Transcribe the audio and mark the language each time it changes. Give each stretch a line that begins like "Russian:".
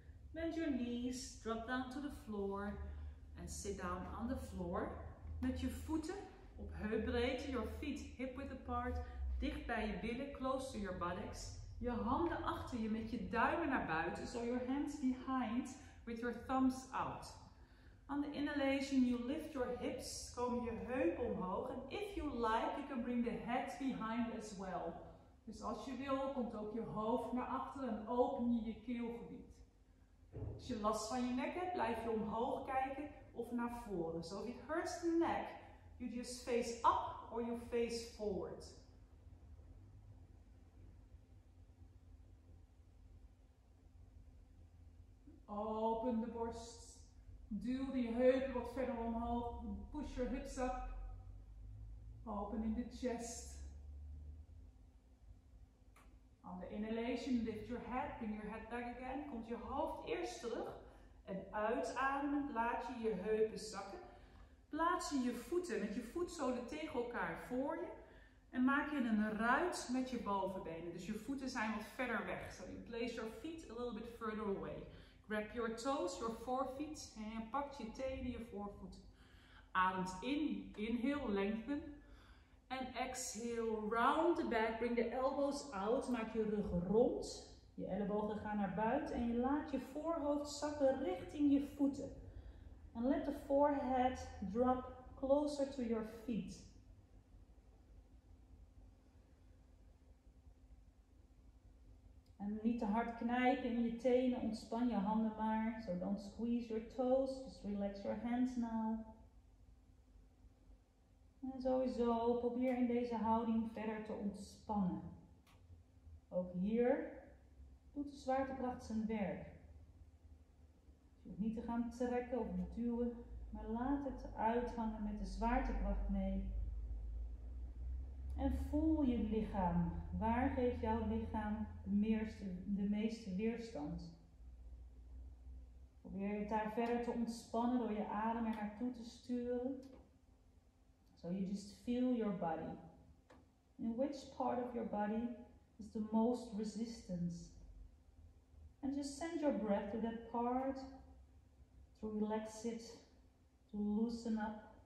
English: Bend your knees, drop down to the floor and sit down on the floor.
Dutch: Met je voeten op heupbreedte,
English: your feet hip width apart,
Dutch: dicht bij je billen,
English: close to your buttocks.
Dutch: Je handen achter je met je duimen naar buiten,
English: so your hands behind with your thumbs out. On the inhalation, you lift your hips,
Dutch: komen je heupen omhoog.
English: And if you like, you can bring the head behind as well.
Dutch: Dus als je wil, komt ook je hoofd naar achter en open je je keelgebied. Als je last van je nek hebt, blijf je omhoog kijken of naar voren.
English: So if it hurts the neck, you just face up or you face forward.
Dutch: Open de borst. Duw die heupen wat verder omhoog.
English: Push your hips up. Open in the chest. On the inhalation, lift your head, bring your head back again.
Dutch: Komt je hoofd eerst terug. En uitademend laat je je heupen zakken. Plaats je je voeten met je voetzolen tegen elkaar voor je. En maak je een ruit met je bovenbenen. Dus je voeten zijn wat verder weg.
English: So you place your feet a little bit further away. Grab your toes, your forefeet.
Dutch: En je pakt je tenen, je voorvoet. Ademt in.
English: Inhale, lengthen. En exhale, round the back. Bring the elbows out.
Dutch: Maak je rug rond. Je ellebogen gaan naar buiten. En je laat je voorhoofd zakken richting je voeten.
English: And let the forehead drop closer to your feet.
Dutch: En niet te hard knijpen in je tenen, ontspan je handen maar.
English: So don't squeeze your toes, just relax your hands now.
Dutch: En sowieso, probeer in deze houding verder te ontspannen. Ook hier doet de zwaartekracht zijn werk. Je hoeft niet te gaan trekken of duwen, maar laat het uithangen met de zwaartekracht mee. En voel je lichaam. Waar geeft jouw lichaam de meeste weerstand? Probeer je daar verder te ontspannen door je adem er naartoe te sturen.
English: So you just feel your body. In which part of your body is the most resistance? And just send your breath to that part to relax it, to loosen up.